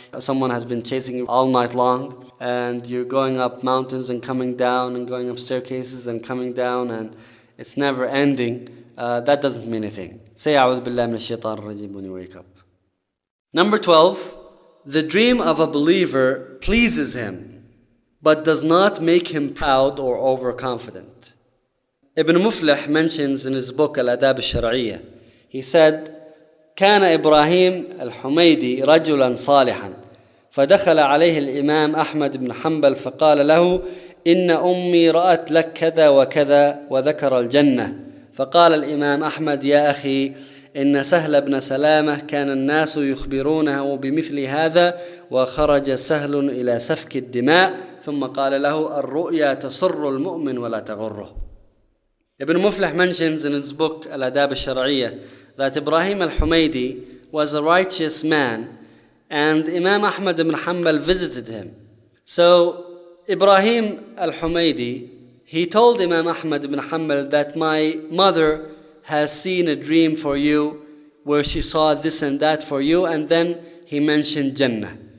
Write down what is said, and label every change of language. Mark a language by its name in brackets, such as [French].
[English] Someone has been chasing you all night long, and you're going up mountains and coming down and going up staircases and coming down, and it's never-ending. That doesn't mean anything. Say, أعوذ بالله من الشيطان الرجيم when you wake up. Number 12, the dream of a believer pleases him, but does not make him proud or overconfident. [Arabic] Ibn Muflih mentions in his book, Al-Adab al-Shar'iyyah, he said, كان إبراهيم الحميدي رجلا صالحا فدخل عليه الإمام أحمد بن حنبل فقال له إن أمي رأت لك كذا وكذا وذكر الجنة. فقال الإمام أحمد يا أخي إن سهل بن سلامة كان الناس يخبرونه بمثل هذا وخرج سهل إلى سفك الدماء ثم قال له الرؤيا تسر المؤمن ولا تغره. [English] Ibn Muflih mentions in his book Al-Adab al-Shar'iyyah that Ibrahim al-Humaydi was a righteous man and Imam Ahmad ibn Hanbal visited him. So Ibrahim al-Humaydi, he told Imam Ahmad ibn Hanbal that my mother has seen a dream for you where she saw this and that for you, and then he mentioned Jannah.